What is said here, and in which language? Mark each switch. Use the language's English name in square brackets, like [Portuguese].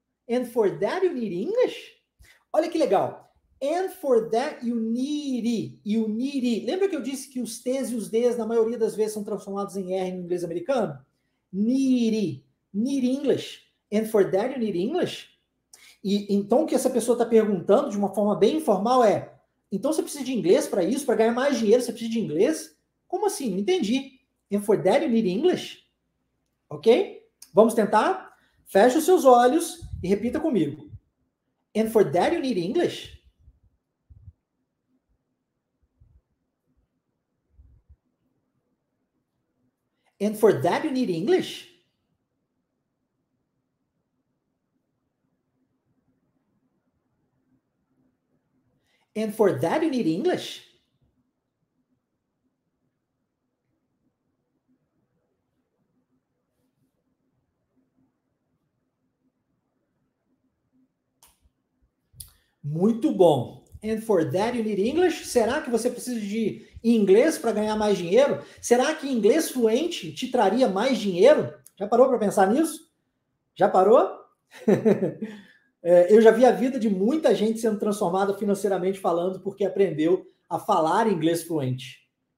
[English] And for that you need English? [Portuguese] Olha que legal. [English] And for that you need it. [Portuguese] Lembra que eu disse que os T's e os D's na maioria das vezes são transformados em R no inglês americano? [English] Need English. And for that you need English? [Portuguese] E então o que essa pessoa está perguntando de uma forma bem informal é: então você precisa de inglês para isso? Para ganhar mais dinheiro você precisa de inglês? Como assim? Não entendi. [English] And for that you need English? [Portuguese] Ok? Vamos tentar? Feche os seus olhos e repita comigo. [English] And for that you need English? And for that you need English? And for that, you need English? [Portuguese] Muito bom. [English] And for that you need English? [Portuguese] Será que você precisa de inglês para ganhar mais dinheiro? Será que inglês fluente te traria mais dinheiro? Já parou para pensar nisso? Já parou? Eu já vi a vida de muita gente sendo transformada financeiramente falando porque aprendeu a falar inglês fluente.